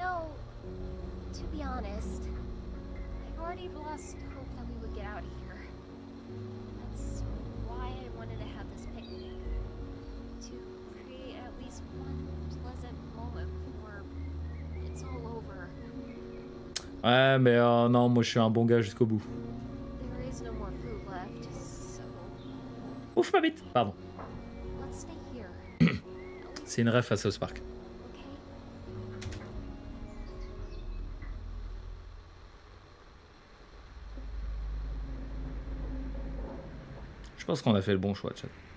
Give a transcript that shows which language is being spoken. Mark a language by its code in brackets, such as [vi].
[en] No, to be honest, I've already lost hope that we would get out of here. That's why I wanted to have this picnic. To create at least one pleasant moment before it's all over. [fr] Ouais, mais non, moi je suis un bon gars jusqu'au bout. [en] There is no more food left, so... [fr] Ouf, ma bite. Pardon. [en] Let's stay here. [fr] C'est une ref à South Park. Je pense qu'on a fait le bon choix, chat.